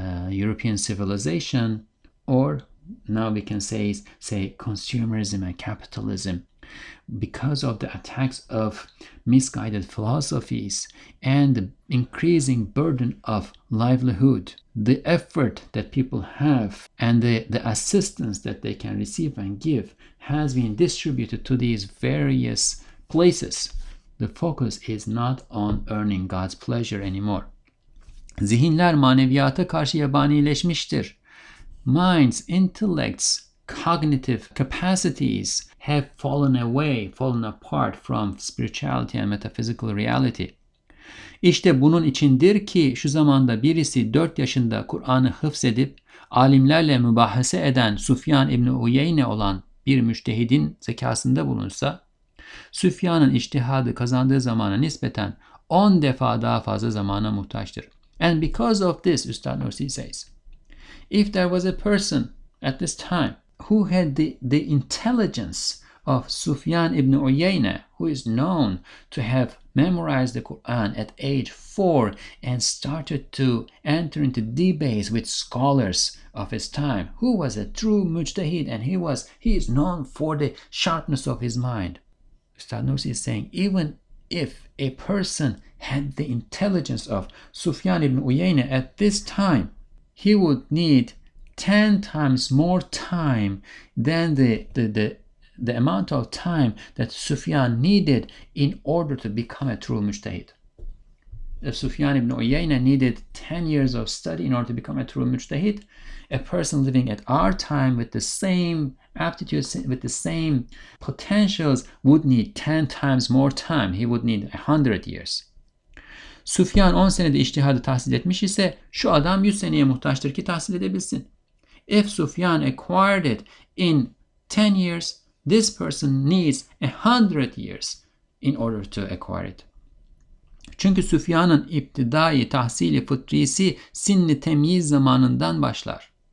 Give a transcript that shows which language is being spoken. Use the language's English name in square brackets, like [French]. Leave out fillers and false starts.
[English] European civilization, or now we can say consumerism and capitalism, because of the attacks of misguided philosophies and the increasing burden of livelihood, the effort that people have and the assistance that they can receive and give has been distributed to these various places. The focus is not on earning God's pleasure anymore. [Turkish] Zihinler maneviyata karşı yabanileşmiştir. [English] Minds, intellects, cognitive capacities have fallen away, fallen apart from spirituality and metaphysical reality. [Turkish] İşte bunun içindir ki şu zamanda birisi 4 yaşında Kur'an'ı hıfzedip alimlerle mübahese eden Süfyan İbni Uyeyne olan bir müştehidin zekasında bulunsa, Süfyan'ın içtihadı kazandığı zamana nispeten 10 defa daha fazla zamana muhtaçtır. [English] And because of this, Üstad Nursi says, if there was a person at this time who had the intelligence of Sufyan ibn Uyayna, who is known to have memorized the Quran at age 4 and started to enter into debates with scholars of his time, who was a true mujtahid, and he is known for the sharpness of his mind. Üstad Nursi is saying, even if a person had the intelligence of Sufyan ibn Uyayna at this time, he would need 10 times more time than the amount of time that Sufyan needed in order to become a true mujtahid. If Sufyan ibn Uyayna needed 10 years of study in order to become a true mujtahid, a person living at our time with the same aptitudes, with the same potentials, would need 10 times more time. He would need 100 years. [Turkish] Sufyan 10 senede içtihadı tahsil etmiş ise şu adam 100 seneye muhtaçtır ki tahsil edebilsin. [English] If Sufyan acquired it in 10 years, this person needs 100 years in order to acquire it. [Turkish] Çünkü Sufyan'ın iptidai tahsili fıtrisi sinni temyiz zamanından başlar.